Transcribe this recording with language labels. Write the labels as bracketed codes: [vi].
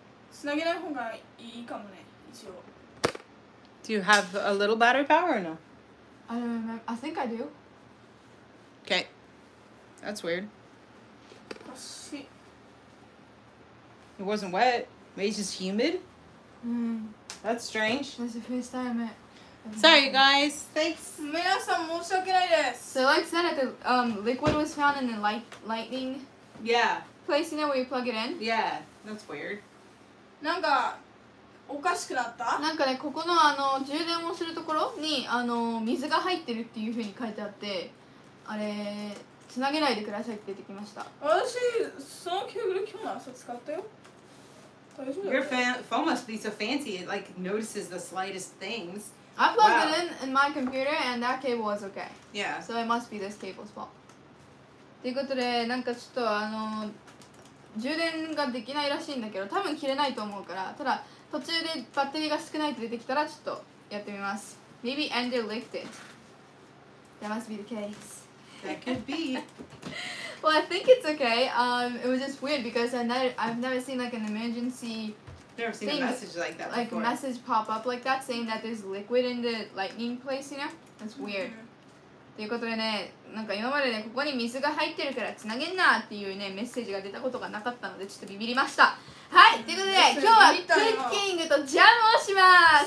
[ja] つなげない方がいいかもね、一応。 [en] Do you have a little battery power or no? I don't remember. I think I do. Okay. That's weird. Oh, shit. It wasn't wet. Maybe it's just humid? Mm. That's strange. That's the first time it... Sorry, you guys. Thanks. [ja] 皆さん申し訳ないです。 [en] So like I said, the liquid was found in the lightning... Yeah. Place in it where you plug it in. Yeah. That's weird. [ja] なんか...おかしくなった？なんかね、ここのあの充電をするところにあの水が入ってるっていう風に書いてあって、あれ繋げないでくださいって出てきました。私そのケーブル今日の朝使ったよ。大丈夫。 [en] Your phone must be so fancy. It like notices the slightest things. I plugged it in my computer and that cable was okay. Yeah. So it must be this cable's fault. [ja] ということで、なんかちょっとあの充電ができないらしいんだけど、多分切れないと思うから、ただ途中でバッテリーが少ないと出てきたらちょっとやってみます。 [en] Maybe and it licked it. That must be the case. That could be. Well, I think it's okay. It was just weird because I've never seen like an emergency. Never seen thing, a message like that. Like before. A message pop up like that saying that there's liquid in the lightning place, you know? That's weird. [ja] ということでね、なんか今までねここに水が入ってるからつなげんなっていうねメッセージが出たことがなかったのでちょっとビビりました。はい、ということで今日はクッキングとジャムをします。